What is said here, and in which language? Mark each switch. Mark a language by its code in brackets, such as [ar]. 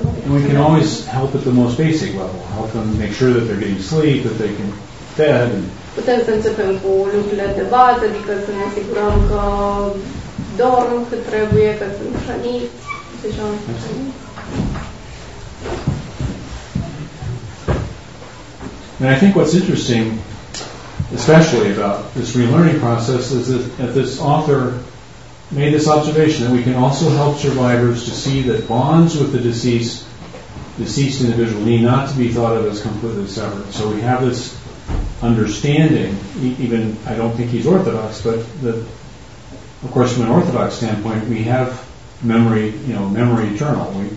[en] And we can always help at the most basic level, help them make sure that they're getting sleep, that they can fed and [ro] putem să începem cu lucrurile de bază, adică să ne asigurăm că dorm cât trebuie, că sunt hrăniți, deja nu sunt hrăniți. [en] And I think what's interesting, especially about this relearning process, is that this author made this observation that we can also help survivors to see that bonds with the deceased individual need not to be thought of as completely severed. So we have this understanding, even I don't think he's Orthodox, but of course from an Orthodox standpoint we have memory, you know, memory eternal.